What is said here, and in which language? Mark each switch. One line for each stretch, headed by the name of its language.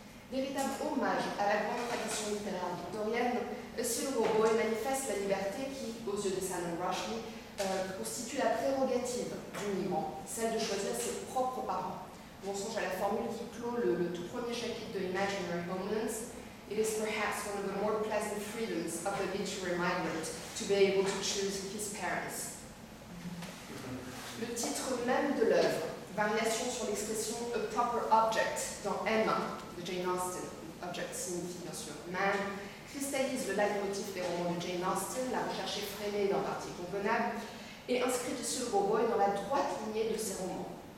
French: Véritable hommage à la grande tradition littéraire victorienne, A Silver Boy manifeste la liberté qui, aux yeux de Salman Rushdie, constitue la prérogative du migrant, celle de choisir ses propres parents. On songe à la formule qui clôt le tout premier chapitre de Imaginary Homelands.
English: It is perhaps one of the more pleasant freedoms of the literary migrant to be able to choose his parents.
French: Le titre même de l'œuvre, variation sur l'expression A Proper Object dans Emma de Jane Austen, object signifie bien sûr man, cristallise le leitmotiv des romans de Jane Austen, la recherche effrénée d'un parti convenable, et inscrit de Silver Boy dans la droite lignée de ses romans.